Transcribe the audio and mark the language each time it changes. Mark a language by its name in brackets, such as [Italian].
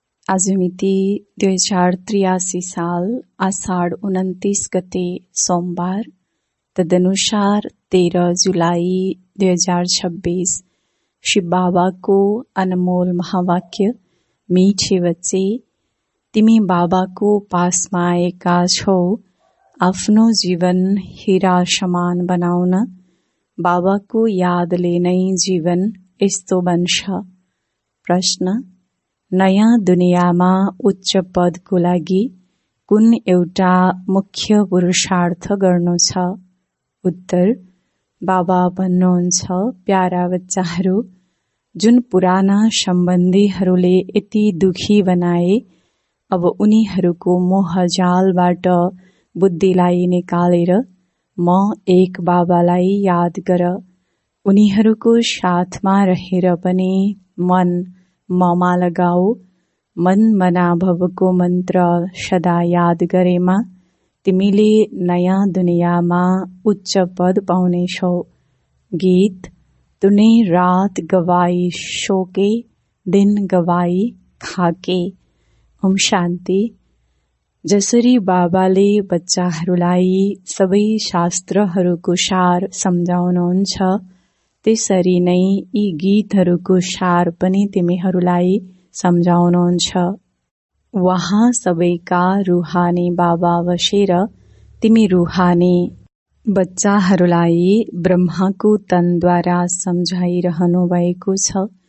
[Nepali] आज मिति 2083 साल आषाढ़ 29 गते सोमवार, तदनुसार 13 जुलाई 2026 शिव बाबा को अनमोल महावाक्य मीठे वचे। तिमी [Hindi] बाबा को पास में [Nepali] आएका छौ, आफ्नो जीवन हीरा समान बनाउन, बाबा को यादले नै जीवन यस्तो बन्छ। प्रश्न: [Hindi] नया दुनिया में [Nepali] उच्च पद को लागि कुन एउटा मुख्य पुरुषार्थ गर्नु छ? उत्तर: बाबा भन्नुहुन्छ, प्यारा बच्चाहरू, जुन पुराना सम्बन्धीहरूले यति दुखी बनाए, अब उनीहरूको मोहजालबाट बुद्धिलाई निकालेर म एक बाबालाई याद गर। उनीहरूको साथमा रहेर पनि मन ममा लगाओ। मन मनाभवको मन्त्र सदा याद गरेमा तिमीले नयाँ दुनियाँमा उच्च पद पाउनेछौ। [Hindi] गीत: तुने रात गवाई शोके, दिन गवाई खाके। [Nepali] ओम शान्ति। जसरी बाबाले बच्चाहरूलाई सबै शास्त्रहरूको सार सम्झाउनुहुन्छ, त्यसरी नै यी गीतहरूको सार पनि तिमीहरूलाई सम्झाउनुहुन्छ। उहाँ सबैका रुहानी बाबा बसेर तिमी रुहानी बच्चाहरूलाई ब्रह्माको तनद्वारा सम्झाइरहनु भएको छ।